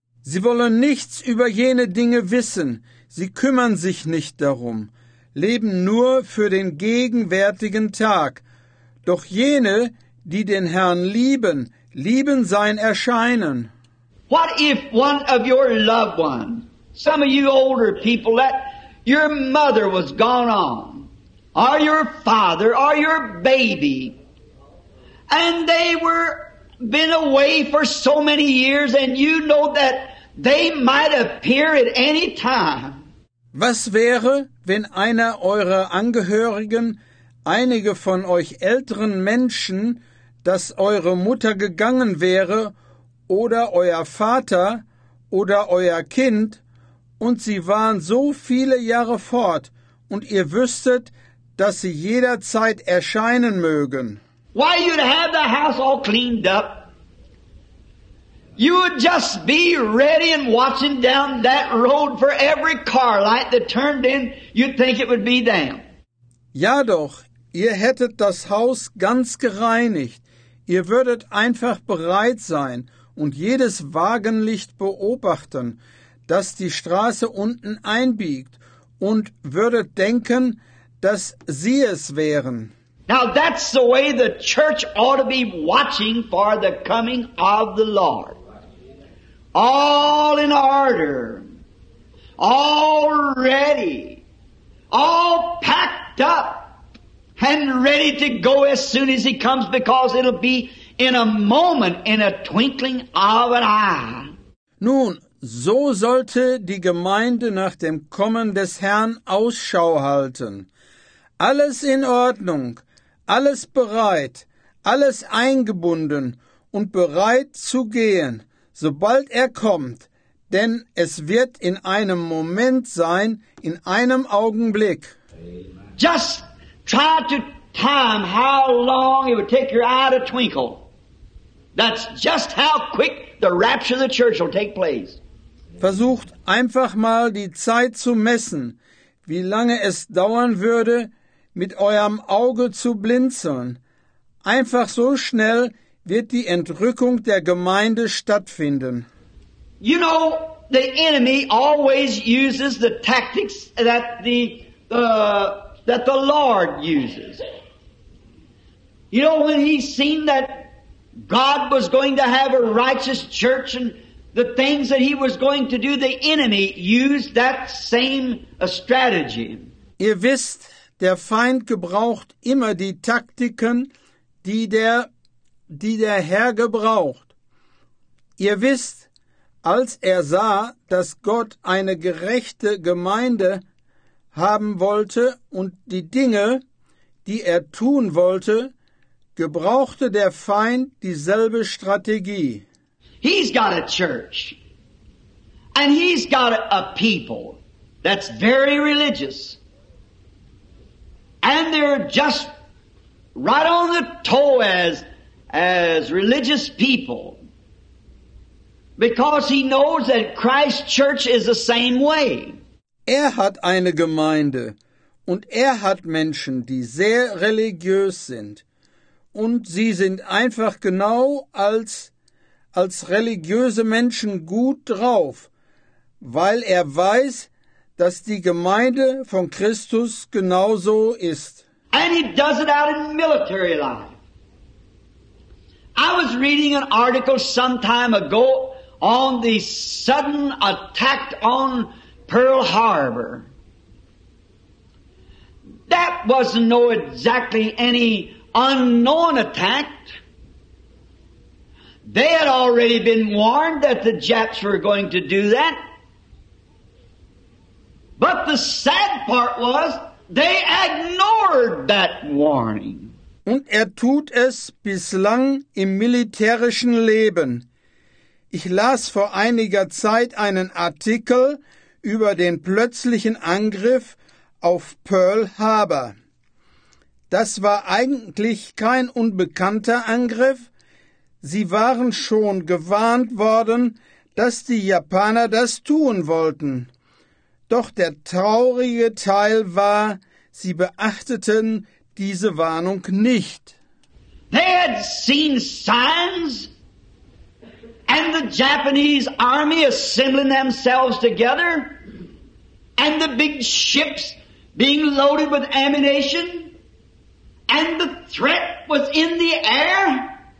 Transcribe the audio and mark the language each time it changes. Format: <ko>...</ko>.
<de>Sie wollen nichts über jene Dinge wissen. Sie kümmern sich nicht darum. Leben nur für den gegenwärtigen Tag. Doch jene, die den Herrn lieben, lieben sein Erscheinen.</de> <en>What if one of your loved ones, some of you older people, that your mother was gone on? Or your father, or your baby. And they were been away for so many years, and you know that they might appear at any time.</en> <de>Was wäre, wenn einer eurer Angehörigen, einige von euch älteren Menschen, dass eure Mutter gegangen wäre, oder euer Vater, oder euer Kind, und sie waren so viele Jahre fort, und ihr wüsstet, dass sie jederzeit erscheinen mögen.</de> <en>Why you'd have the house all cleaned up. You would just be ready and watching down that road for every car light that turned in, you'd think it would be them.</en> <de>Ja doch, ihr hättet das Haus ganz gereinigt. Ihr würdet einfach bereit sein und jedes Wagenlicht beobachten, das die Straße unten einbiegt, und würdet denken, dass sie es wären.</de> <en>Now that's the way the church ought to be watching for the coming of the Lord. all in order, all ready, all packed up and ready to go as soon as he comes, because it'll be in a moment, in a twinkling of an eye.</en> <de>Nun, so sollte die Gemeinde nach dem Kommen des Herrn Ausschau halten. Alles in Ordnung, alles bereit, alles eingebunden und bereit zu gehen, sobald er kommt, denn es wird in einem Moment sein, in einem Augenblick.</de> <en>Just try to time how long it would take your eye to twinkle. That's just how quick the rapture of the church will take place.</en> <de>Versucht einfach mal die Zeit zu messen, wie lange es dauern würde, mit eurem Auge zu blinzeln. Einfach so schnell wird die Entrückung der Gemeinde stattfinden.</de> <en>You know, the enemy always uses the tactics that the Lord uses. You know, when he seen that God was going to have a righteous church and the things that he was going to do, the enemy used that same strategy.</en> <de>Ihr wisst, der Feind gebraucht immer die Taktiken, die der Herr gebraucht. Ihr wisst, als er sah, dass Gott eine gerechte Gemeinde haben wollte und die Dinge, die er tun wollte, gebrauchte der Feind dieselbe Strategie.</de> <en>He's got a church and he's got a people that's very religious. And they're just right on the toe as religious people. Because he knows that Christ's church is the same way.</en> <de>Er hat eine Gemeinde und er hat Menschen, die sehr religiös sind. Und sie sind einfach genau als religiöse Menschen gut drauf, weil er weiß, dass die Gemeinde von Christus genauso ist.</de> <en>And he does it out in military life. I was reading an article some time ago on the sudden attack on Pearl Harbor. That wasn't no exactly any unknown attack. They had already been warned that the Japs were going to do that. But the sad part was, they ignored that warning.</en> <de>Und er tut es bislang im militärischen Leben. Ich las vor einiger Zeit einen Artikel über den plötzlichen Angriff auf Pearl Harbor. Das war eigentlich kein unbekannter Angriff. Sie waren schon gewarnt worden, dass die Japaner das tun wollten. Doch der traurige Teil war, sie beachteten diese Warnung nicht.</de> <en>They had seen signs and the Japanese army assembling themselves together and the big ships being loaded with ammunition and the threat was in the air.</en>